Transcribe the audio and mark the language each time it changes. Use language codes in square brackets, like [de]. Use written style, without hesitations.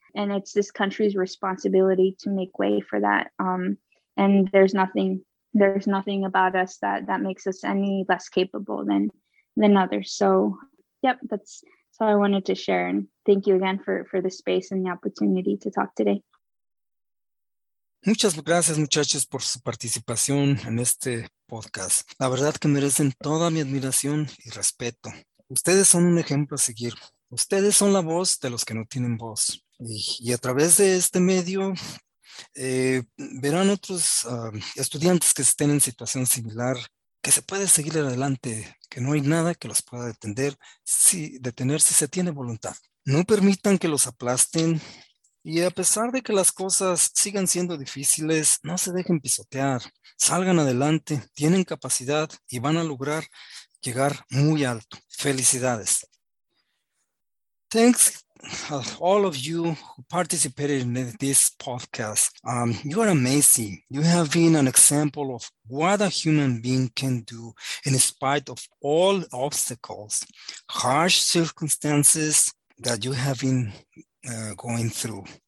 [en] And it's this country's responsibility to make way for that. And there's nothing about us that makes us any less capable than others. So, yep, that's all I wanted to share. And thank you again for the space and the opportunity to talk today. [es] Muchas gracias, muchachos, por su participación en este podcast. La verdad que merecen toda mi admiración y respeto. Ustedes son un ejemplo a seguir. Ustedes son la voz de los que no tienen voz. Y a través de este medio verán otros estudiantes que estén en situación similar, que se puede seguir adelante, que no hay nada que los pueda detener si se tiene voluntad. No permitan que los aplasten, y a pesar de que las cosas sigan siendo difíciles, no se dejen pisotear. Salgan adelante, tienen capacidad y van a lograr llegar muy alto. Felicidades. [en] Thanks. All of you who participated in this podcast, you are amazing. You have been an example of what a human being can do in spite of all obstacles, harsh circumstances that you have been going through.